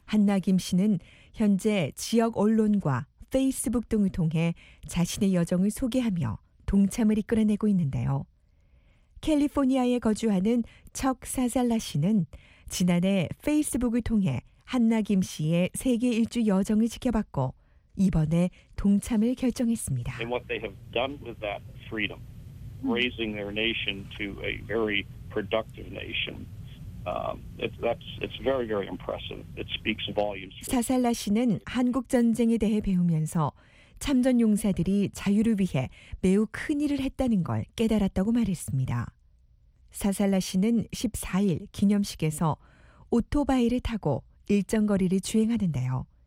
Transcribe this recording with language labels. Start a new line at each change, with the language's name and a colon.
Korean: 한나 김 씨는 현재 지역 언론과 페이스북 등을 통해 자신의 여정을 소개하며 동참을 이끌어내고 있는데요. 캘리포니아에 거주하는 척 사잘라 씨는 지난해 페이스북을 통해 한나 김 씨의 세계 일주 여정을 지켜봤고 이번에 동참을 결정했습니다.
English: And what they have done with that freedom, raising their nation to a very productive nation. It's very, very impressive. It speaks volumes.
Korean: 사잘라 씨는 한국 전쟁에 대해 배우면서 참전 용사들이 자유를 위해 매우 큰 일을 했다는 걸 깨달았다고 말했습니다. 사잘라 씨는 14일 기념식에서 오토바이를 타고 일정 거리를 주행하는데요.